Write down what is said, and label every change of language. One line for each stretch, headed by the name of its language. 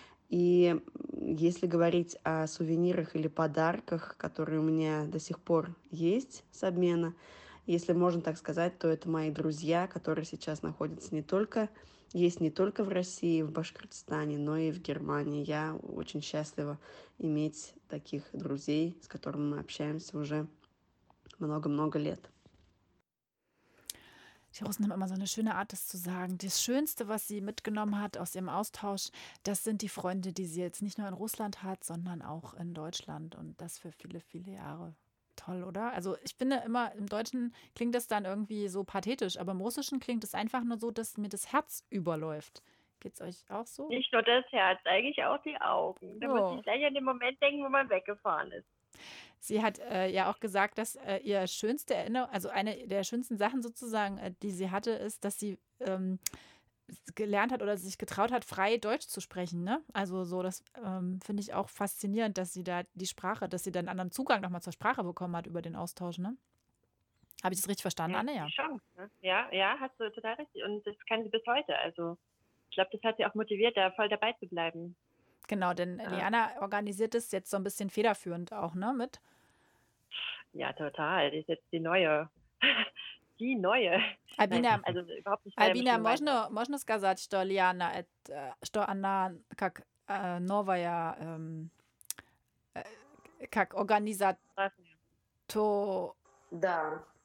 Russian: И если говорить о сувенирах или подарках, которые у меня до сих пор есть с обмена, если можно так сказать, то это мои друзья, которые сейчас находятся не только в России, в Башкортостане, но и в Германии. Я очень счастлива иметь таких друзей, с которыми мы общаемся уже много-много лет.
German: Die Russen haben immer so eine schöne Art, das zu sagen. Das Schönste, was sie mitgenommen hat aus ihrem Austausch, das sind die Freunde, die sie jetzt nicht nur in Russland hat, sondern auch in Deutschland. Und das für viele, viele Jahre. Toll, oder? Also ich finde immer, im Deutschen klingt das dann irgendwie so pathetisch, aber im Russischen klingt es einfach nur so, dass mir das Herz überläuft. Geht es euch auch so? Nicht nur das Herz, eigentlich auch die Augen. Da muss ich gleich an den Moment denken, wo man weggefahren ist. Sie hat ja auch gesagt, dass ihr schönste Erinnerung, also eine der schönsten Sachen sozusagen, die sie hatte, ist, dass sie gelernt hat oder sich getraut hat, frei Deutsch zu sprechen. Ne? Also so, das finde ich auch faszinierend, dass sie da die Sprache, dass sie dann einen anderen Zugang nochmal zur Sprache bekommen hat über den Austausch. Ne? Habe ich das richtig verstanden, Anne? Ja, schon. Ja, hast du total richtig. Und das kann sie bis heute. Also ich glaube, das hat sie auch motiviert, da voll dabei zu bleiben. Genau, denn Liana organisiert es jetzt so ein bisschen federführend auch, ne, mit? Ja, total. Die ist jetzt die Neue. Die Neue.
Russian: Albina, можно, можно сказать, что Лиана, что она как новая, как организат... кто да.